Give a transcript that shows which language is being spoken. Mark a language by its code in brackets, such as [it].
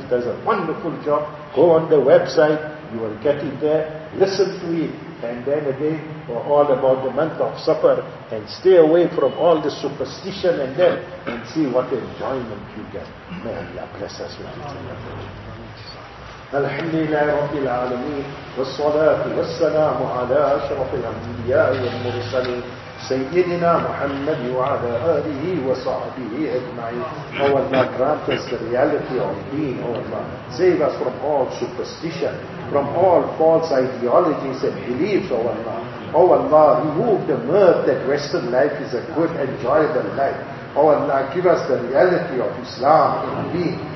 [en] He does a wonderful job. Go on the website, you will get it there. Listen to it. And then again, for all about the month of Safar, and stay away from all the superstition and that, and see what enjoyment you get. May Allah bless us with it. [ar] الحمد لله رب العالمين والصلاة والسلام على أشرف الأنبياء والمرسلين سيدنا محمد وعلى آله وصحبه أجمعين. [en] Oh Allah, grant us the reality of being. Oh Allah, save us from all superstition, from all false ideologies and beliefs. Oh Allah, oh Allah, remove the myth that Western life is a good, enjoyable life. Oh Allah, give us the reality of Islam in deen.